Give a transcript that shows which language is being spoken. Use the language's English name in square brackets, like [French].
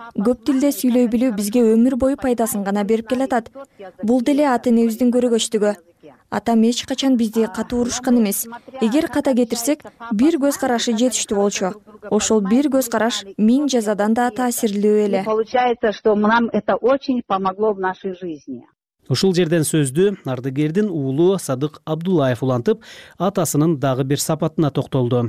[Kyrgyz] Көп тилде сүйлөй билүү бизге өмүр бою пайдасын гана берип келатат. Бул деле ата-энебиздин көрөгөчтүгү. Атам эч качан бизди катуу урушкан эмес. Эгер ката кетирсек, бир көз карашы жетиштүү болчу. Ошол бир көз караш миң жазадан да таасирлүү эле. [Russian] Получается, что нам это очень помогло в нашей жизни. [Kyrgyz] Ушул жерден сөздү ардыгердин уулу Садык Абдуллаев улантып, атасынын дагы бир сапатына токтолду.